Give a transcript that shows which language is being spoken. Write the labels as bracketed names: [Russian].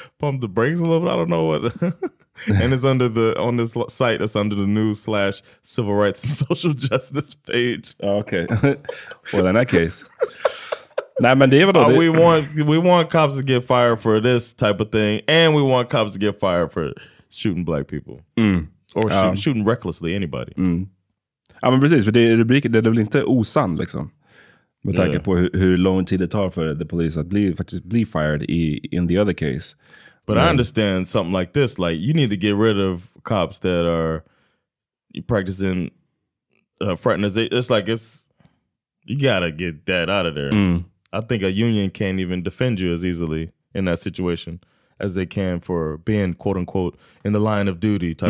[English] Pump the brakes a little bit. I don't know what. And it's under the, on this site, it's under the news/civil rights and social justice page. Okay. Well, in that case. Nah, man, David, we want cops to get fired for this type of thing, and we want cops to get fired for shooting black people. Mm. Or shooting recklessly anybody. Mm. [Swedish] Ja, men precis, för det är rubriken, det är väl inte osann liksom. Med tanke på hur lång tid det tar för [English] the police [Swedish] att faktiskt bli [English] fired in the other case. But I understand something like this, like you need to get rid of cops that are practicing fraternization. It's like you gotta get that out of there. Mm. I think a union can't even defend you as easily in that situation as they can for being quote unquote in the line of duty type